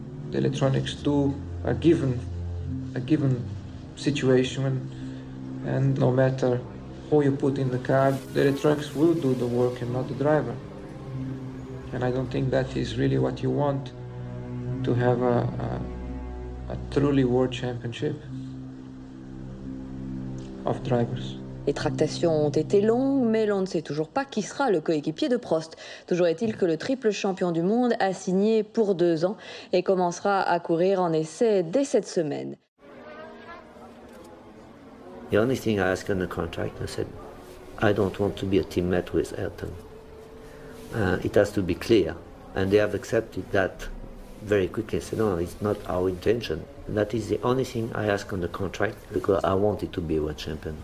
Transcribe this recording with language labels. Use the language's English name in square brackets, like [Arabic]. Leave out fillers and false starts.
[English] The electronics do a given situation, and no matter who you put in the car, the electronics will do the work and not the driver. And I don't think that is really what you want to have a truly world championship of drivers. [French] Les tractations ont été longues, mais l'on ne sait toujours pas qui sera le coéquipier de Prost. Toujours est-il que le triple champion du monde a signé pour 2 ans et commencera à courir en essai dès cette semaine. [English] The only thing I asked in the contract, I said, I don't want to be a teammate with Ayrton. It has to be clear. And they have accepted that very quickly. I said, no, it's not our intention. That is the only thing I ask on the contract, because I wanted to be a world champion.